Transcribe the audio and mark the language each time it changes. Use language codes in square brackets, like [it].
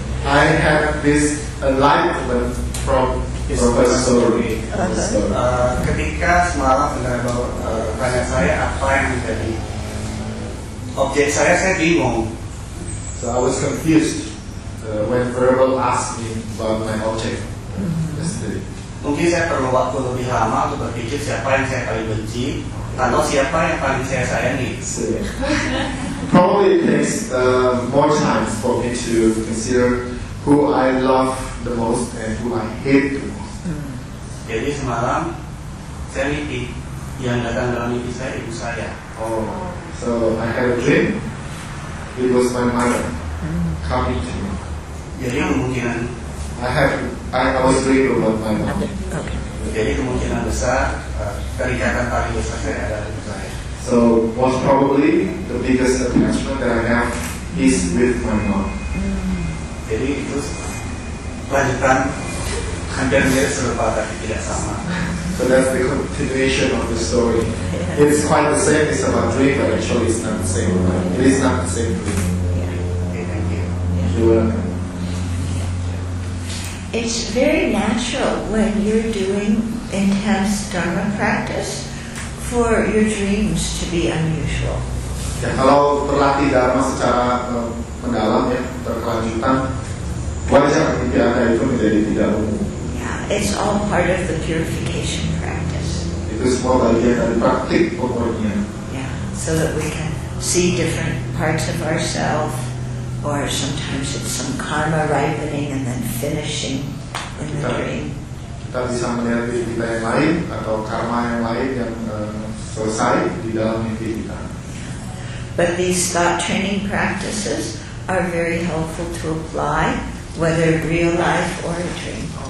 [en] I have this enlightenment from his story. [id] Ketika semalam menerima pertanyaan saya, apa yang menjadi objek saya bingung. [en] So I was confused when verbal asked me about my object yesterday. [id] Mungkin saya perlu waktu lebih lama untuk berpikir siapa yang saya paling benci. Lalu siapa yang paling saya sayangi? [en] Probably it takes more time for me to consider who I love the most and who I hate the most. [id] Jadi semalam saya mimpi yang datang dalam mimpi saya ibu saya. [en] Oh, so I had a dream. It was my mother coming to me. [id] Jadi kemungkinan [en] I was dreaming about my mother. [id] Jadi kemungkinan besar terikatan paling besar saya adalah ibu saya. [en] So most probably the biggest attachment that I have is with my mom. [id] Jadi itu lanjutan hampir mirip serupa tapi tidak sama. [en] So that's the continuation of the story. It's quite the same. It's about dream, but actually it's not the same. It is not the same dream. Okay, thank you. You're welcome. It's very natural when you're doing intense Dharma practice for your dreams to be unusual. [id] Ya, kalau berlatih Dharma secara mendalam ya, berkelanjutan, wajar mimpi Anda itu menjadi tidak umum. [en] Yeah, it's all part of the purification practice. [id] Itu semua bagian dari praktik pokoknya. [en] Yeah, so that we can see different parts of ourselves. Or sometimes it's some karma ripening and then finishing in the dream. [id] Kita bisa melihat mimpi yang lain atau karma yang lain yang selesai di dalam mimpi kita. [en] But these thought training practices are very helpful to apply, whether real life or a dream.